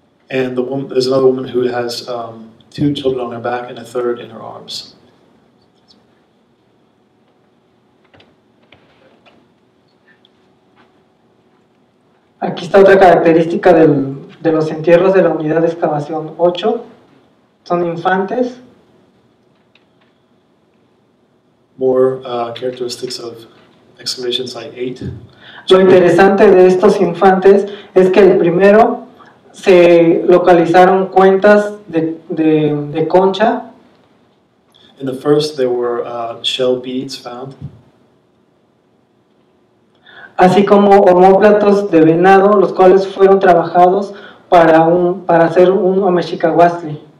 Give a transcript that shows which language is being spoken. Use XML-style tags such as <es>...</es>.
<en>And there's another woman who has two children on her back and a third in her arms.</en> <es>Aquí está otra característica de los entierros de la unidad de excavación 8. Son infantes.</es> <en>More characteristics of excavation site 8.</en> <es>Lo interesante de estos infantes es que el primero se localizaron cuentas de concha.</es> <en>In the first there were shell beads found.</en> <es>Así como omóplatos de venado, los cuales fueron trabajados para hacer un omexicahuastli.</es>